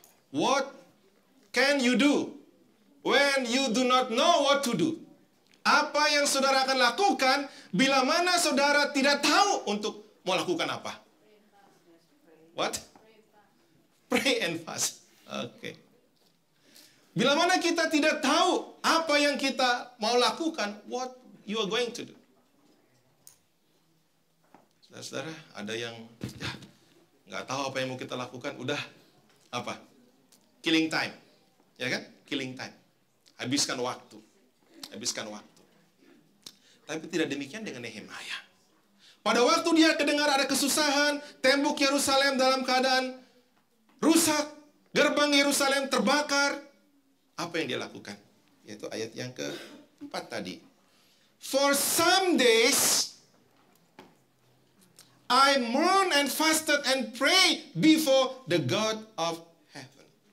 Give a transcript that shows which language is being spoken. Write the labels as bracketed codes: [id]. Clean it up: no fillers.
[en] What can you do when you do not know what to do? [id] Apa yang saudara akan lakukan bila mana saudara tidak tahu untuk mau lakukan apa? [en] What? Pray and fast. Okay. [id] Bila mana kita tidak tahu apa yang kita mau lakukan, [en] what you are going to do? [id] Saudara-saudara, ada yang nggak tahu apa yang mau kita lakukan, udah apa? [en] Killing time, [id] ya kan? Killing time, habiskan waktu. Tapi tidak demikian dengan Nehemia. Pada waktu dia kedengar ada kesusahan, tembok Yerusalem dalam keadaan rusak, gerbang Yerusalem terbakar, apa yang dia lakukan? Yaitu ayat yang ke-4 tadi. [en] For some days I mourned and fasted and prayed before the God of heaven.